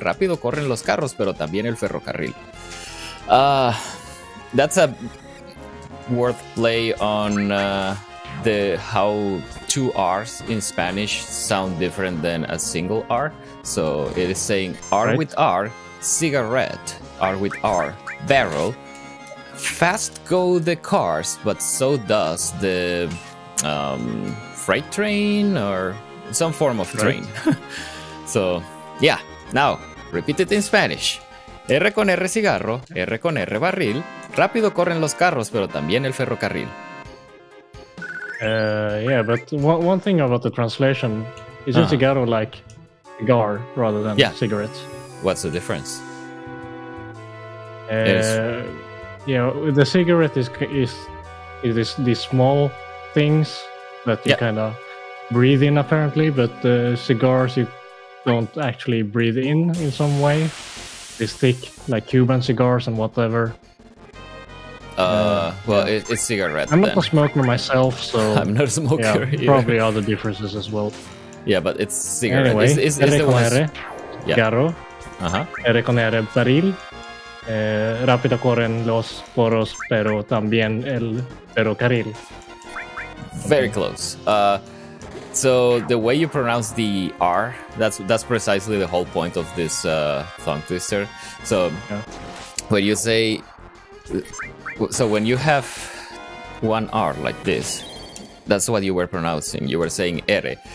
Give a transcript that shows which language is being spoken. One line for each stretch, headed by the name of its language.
Spanish: Rápido corren los carros, pero también el ferrocarril.
English: That's a worth play on the how two R's in Spanish sound different than a single R. So it is saying R right. with R, cigarette, R with R, barrel. Fast go the cars, but so does the freight train or some form of train. Right. So, yeah. Now, repeat it in Spanish.
Spanish: R con R cigarro, R con R barril. Rápido corren los carros, pero también el ferrocarril.
English: Yeah, but one thing about the translation is it cigarro like cigar rather than cigarettes. What's the difference? The cigarette is these small things that you kind of breathe in, apparently, but the cigars you don't actually breathe in some way. They stick like Cuban cigars and whatever. It's cigarette. I'm not then. A smoker myself, so I'm not a smoker. Yeah, probably other differences as well. Yeah, but it's cigarette. Anyway, is
Spanish: R con R, cigarro. Uh-huh. R con R, barril. Rápido corren los poros, pero también el ferrocarril.
English: Very close. So the way you pronounce the R, that's precisely the whole point of this tongue twister. So when you say, so when you have one R like this, that's what you were pronouncing. You were saying R.